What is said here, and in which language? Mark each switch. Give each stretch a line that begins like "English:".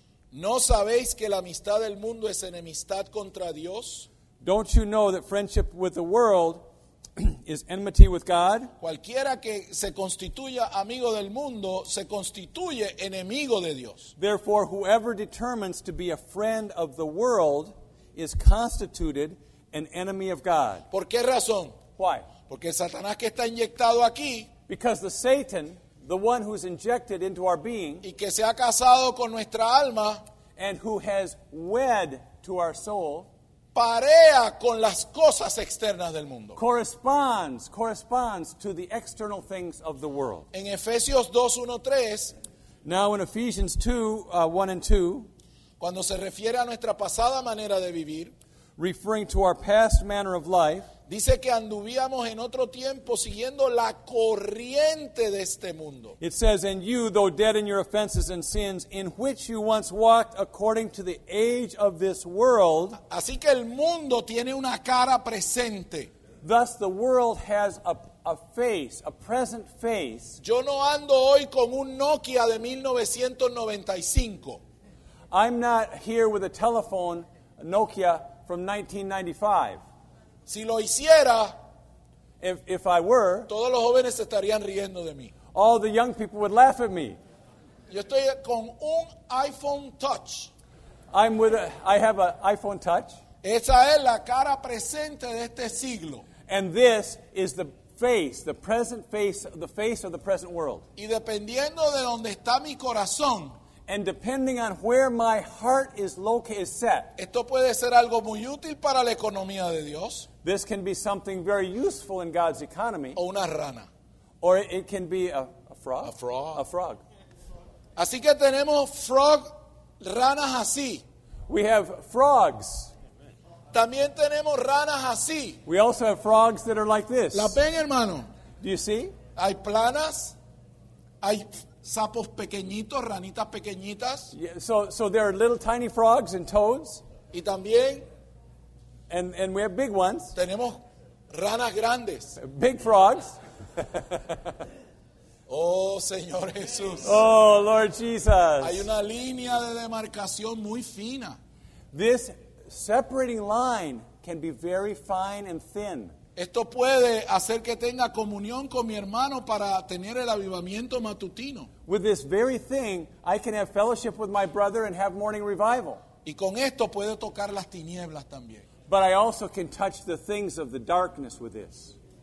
Spanish: ¿No sabéis que la amistad del mundo es enemistad contra Dios?
English: Don't you know that friendship with the world is enmity with God.
Spanish: Cualquiera que se constituya amigo del mundo se constituye enemigo de Dios.
English: Therefore, whoever determines to be a friend of the world is constituted an enemy of God.
Spanish: ¿Por qué razón?
English: Why?
Spanish: Porque Satanás que está inyectado aquí.
English: Because the Satan, the one who's injected into our being,
Spanish: y que se ha casado con nuestra alma,
English: and who has wed to our soul,
Spanish: parea con las cosas externas del mundo.
English: Corresponds to the external things of the world.
Spanish: En Efesios 2:1-3.
English: Now in Ephesians 2:1-2.
Spanish: Cuando se refiere a nuestra pasada manera de vivir,
English: referring to our past manner of life,
Spanish: dice que anduvíamos en otro tiempo siguiendo la corriente de este mundo.
English: It says, and you, though dead in your offenses and sins, in which you once walked according to the age of this world.
Spanish: Así que el mundo tiene una cara presente.
English: Thus the world has a face, a present face.
Spanish: Yo no ando hoy con un Nokia de 1995.
English: I'm not here with a telephone, a Nokia from 1995.
Spanish: Si lo hiciera,
English: if I were,
Spanish: todos los jóvenes estarían riendo de mí.
English: All the young people would laugh at me.
Spanish: Yo estoy con un iPhone Touch.
English: I have an iPhone Touch.
Spanish: Esa es la cara presente de este siglo.
English: And this is the face, the present face, the face of the present world.
Spanish: Y dependiendo de donde está mi corazón,
English: and depending on where my heart is located, set.
Spanish: Esto puede ser algo muy útil para la economía de Dios.
English: This can be something very useful in God's economy.
Spanish: O una rana.
English: Or it can be a frog. A frog. A frog.
Spanish: Así que tenemos frog, ranas así.
English: We have frogs.
Spanish: También tenemos ranas así.
English: We also have frogs that are like this.
Spanish: ¿La ven, hermano?
English: Do you see?
Spanish: Hay planas. Hay sapos pequeñitos, ranitas pequeñitas.
English: Yeah, so there are little tiny frogs and toads.
Spanish: Y también,
English: and we have big ones.
Spanish: Tenemos ranas grandes.
English: Big frogs.
Spanish: Oh, Señor Jesús.
English: Oh, Lord Jesus.
Spanish: Hay una línea de demarcación muy fina.
English: This separating line can be very fine and thin.
Spanish: Esto puede hacer que tenga comunión con mi hermano para tener el avivamiento matutino.
English: With this very thing, I can have fellowship with my brother and have morning revival.
Spanish: Y con esto puedo tocar las tinieblas también.
English: But I also can touch the things of the darkness with this.